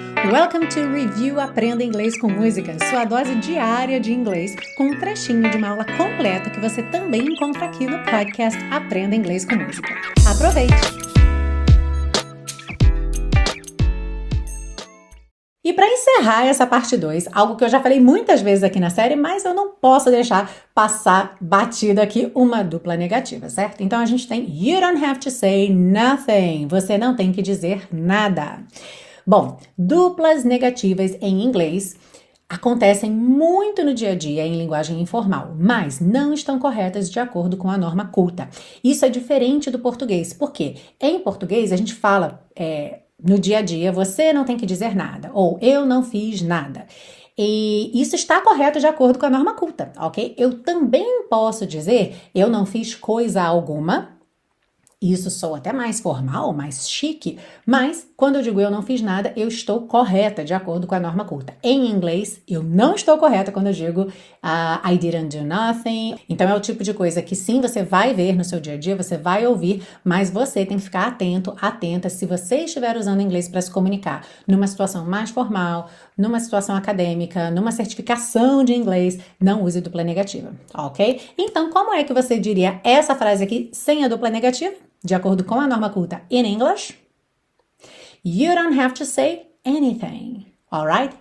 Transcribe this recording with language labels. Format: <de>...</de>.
<pt>Welcome to Review Aprenda Inglês com Música, sua dose diária de inglês, com um trechinho de uma aula completa que você também encontra aqui no podcast Aprenda Inglês com Música. Aproveite! E para encerrar essa parte 2, algo que eu já falei muitas vezes aqui na série, mas eu não posso deixar passar batido aqui uma dupla negativa, certo? Então a gente tem You don't have to say nothing. Você não tem que dizer nada. Bom, duplas negativas em inglês acontecem muito no dia a dia em linguagem informal, mas não estão corretas de acordo com a norma culta. Isso é diferente do português, porque em português a gente fala no dia a dia, você não tem que dizer nada, ou eu não fiz nada. E isso está correto de acordo com a norma culta, ok? Eu também posso dizer, eu não fiz coisa alguma. Isso soa até mais formal, mais chique, mas quando eu digo eu não fiz nada, eu estou correta de acordo com a norma culta. Em inglês, eu não estou correta quando eu digo I didn't do nothing. Então é o tipo de coisa que sim, você vai ver no seu dia a dia, você vai ouvir, mas você tem que ficar atento, atenta, se você estiver usando inglês para se comunicar numa situação mais formal, numa situação acadêmica, numa certificação de inglês, não use dupla negativa, ok? Então como é que você diria essa frase aqui sem a dupla negativa?</pt> <en>De acordo com a norma culta in English, you don't have to say anything, all right?</en>